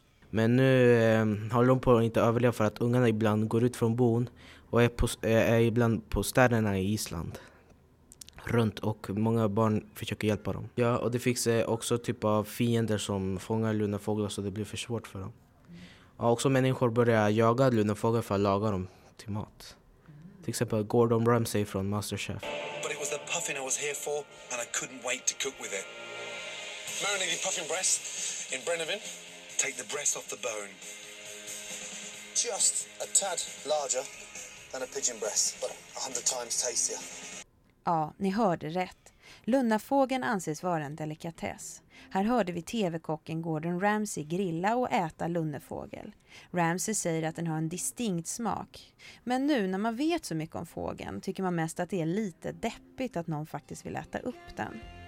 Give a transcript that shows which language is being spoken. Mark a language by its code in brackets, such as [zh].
[sv] Men nu håller de på att inte överleva för att ungarna ibland går ut från bon och är ibland på städerna i Island. Runt, och många barn försöker hjälpa dem. Ja, och det finns också typ av fiender som fångar lunafåglar, så det blir för svårt för dem. Mm. Och också människor börjar jaga lunafåglar för att laga dem till mat. Mm. Till exempel Gordon Ramsay från Masterchef. [en] But it was the puffin I was here for and I couldn't wait to cook with it. Marinated puffin breast in Brenneven. Take the breast off the bone. Just a tad larger than a pigeon breast, but 100 times tastier. [sv] Ja, ni hörde rätt. Lunnafågeln anses vara en delikatess. Här hörde vi tv-kocken Gordon Ramsay grilla och äta lunnefågel. Ramsay säger att den har en distinkt smak. Men nu när man vet så mycket om fågeln tycker man mest att det är lite deppigt att någon faktiskt vill äta upp den.